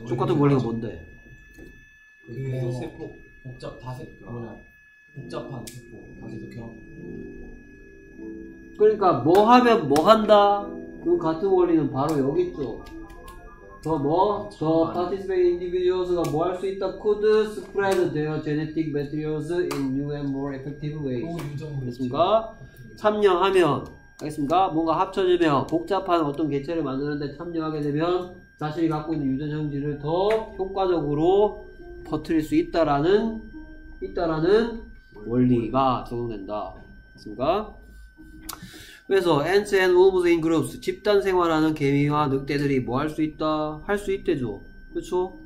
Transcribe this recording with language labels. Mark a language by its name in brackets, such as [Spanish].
[Korean] 똑같은 원리가 뭔데? 그래서 세포 복잡 다세 뭐냐? 복잡한 세포 다세도 경. 그러니까 뭐 하면 뭐 한다? 그 같은 원리는 바로 여기 있죠. 더 뭐? 더 [English] participating individuals [Korean] 가 뭐 할 수 있다? [English] Could spread their genetic materials in new and more effective ways. [Korean] 알겠습니까? 참여하면, 알겠습니까? 뭔가 합쳐지면 복잡한 어떤 개체를 만드는데 참여하게 되면 자신이 갖고 있는 유전 형질을 더 효과적으로 퍼뜨릴 수 있다라는 원리가 적용된다. 알겠습니까? 그래서 [English] ants and wolves in groups, [Korean] 집단 생활하는 개미와 늑대들이 뭐 할 수 있다? 할 수 있대죠. 그렇죠?